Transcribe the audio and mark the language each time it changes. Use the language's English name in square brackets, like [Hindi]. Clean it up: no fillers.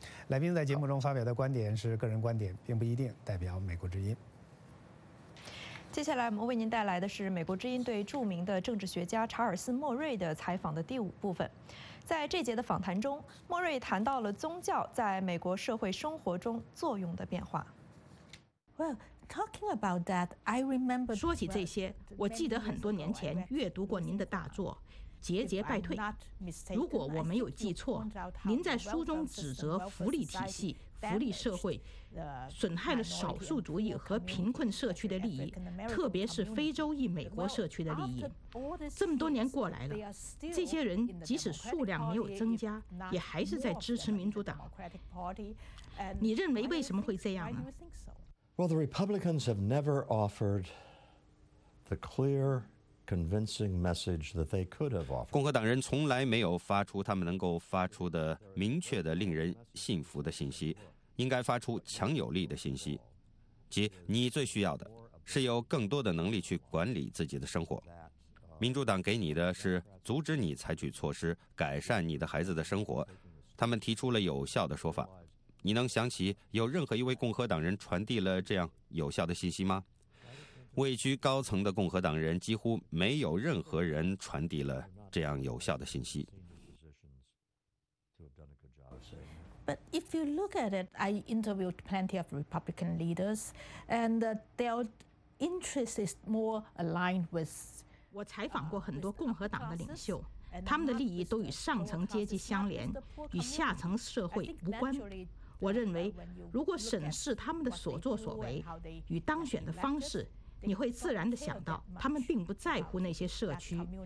[Chinese] 来宾在节目中发表的观点是个人观点，并不一定代表美国之音。接下来我们为您带来的是美国之音对著名的政治学家查尔斯·莫瑞的采访的第五部分。在这节的访谈中，莫瑞谈到了宗教在美国社会生活中作用的变化。 [English] Well, talking about that, I remember. [Chinese] 说起这些，我记得很多年前阅读过您的大作《节节败退》。如果我没有记错，您在书中指责福利体系、福利社会损害了少数族裔和贫困社区的利益，特别是非洲裔美国社区的利益。这么多年过来了，这些人即使数量没有增加，也还是在支持民主党。你认为为什么会这样呢？ [English] Well, the Republicans have never offered the clear. convincing message that they could have offered. [Chinese] 共和党人从来没有发出他们能够发出的明确的令人信服的信息，应该发出强有力的信息，即你最需要的是有更多的能力去管理自己的生活。民主党给你的是阻止你采取措施改善你的孩子的生活，他们提出了有效的说法。你能想起有任何一位共和党人传递了这样有效的信息吗？位居高层的共和党人几乎没有任何人传递了这样有效的信息。 [English] But if you look at it, I interviewed plenty of Republican leaders, and their interest is more aligned with [Chinese] 我采访过很多共和党的领袖，他们的利益都与上层阶级相连，与下层社会无关。我认为如果审视他们的所作所为与当选的方式，你会自然地想到他们并不在乎那些社区。